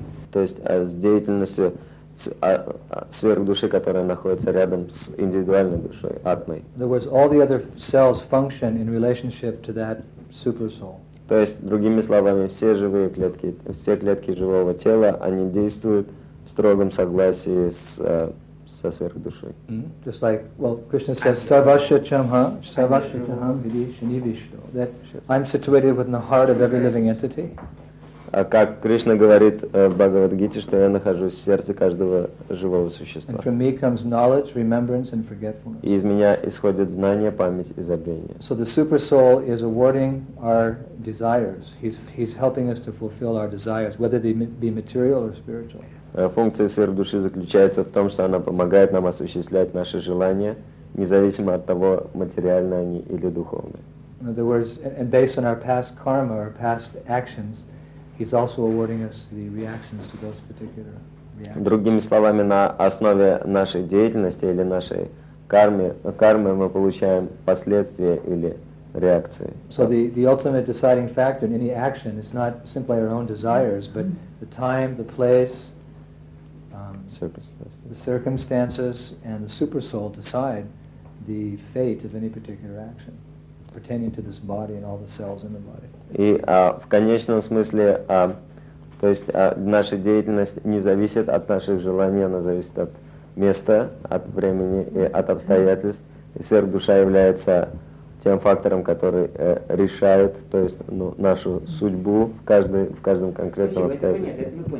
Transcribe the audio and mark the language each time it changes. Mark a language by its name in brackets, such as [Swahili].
[Russian] То есть с деятельностью сверхдуши, которая находится рядом с индивидуальной душой, атмой. [English] In other words, all the other cells function in relationship to that supersoul. [Russian] То есть, другими словами, все живые клетки, все клетки живого тела, они действуют в строгом согласии с со сверхдушой. Mm-hmm. [English] Just like, well, Krishna says, [Sanskrit] Sarvasya Chamha, Sarvasya Chamha, Vidhi Shani Vishnu. [English] That I'm situated within the heart of every living entity. [Russian] А как Кришна говорит в Бхагавад-гите, что я нахожусь в сердце каждого живого существа. [English] From me comes knowledge, remembrance and forgetfulness. [Russian] И из меня исходят знания, память и забвение. [English] So the super soul is awarding our desires. He's helping us to fulfill our desires, whether they be material or spiritual. [Russian] Функция сверхдуши заключается в том, что она помогает нам осуществлять наши желания, независимо от того, материальные они или духовные. [English] In other words, and based on our past karma, our past actions, he's also awarding us the reactions to those particular reactions. [Russian] Другими словами, на основе нашей деятельности или нашей кармы мы получаем последствия или реакции. [English] So the ultimate deciding factor in any action is not simply our own desires, but the time, the place, the circumstances, and the super soul decide the fate of any particular action. Pertaining to this body and all the cells in the body. [Russian] И в конечном смысле, то есть наша деятельность не зависит от наших желаний, она зависит от места, от времени и от обстоятельств. И сверхдуша является тем фактором, который решает, то есть нашу судьбу в каждом конкретном обстоятельстве.